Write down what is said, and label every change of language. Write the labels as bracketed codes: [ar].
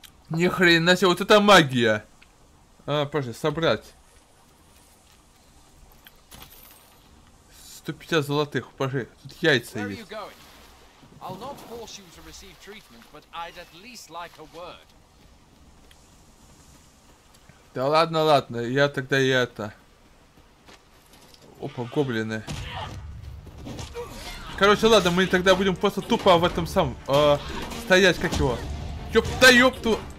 [ru] Ни хрена себе, вот это магия. Подожди, собрать. 150 золотых, подожди, тут яйца есть. [en] I'll not force you to receive treatment, but I'd at least like a word. [ru] Да ладно, ладно, я тогда и это. Опа, гоблины. Короче, ладно, мы тогда будем просто тупо в этом самом стоять, как его. Ёпта, ёпту.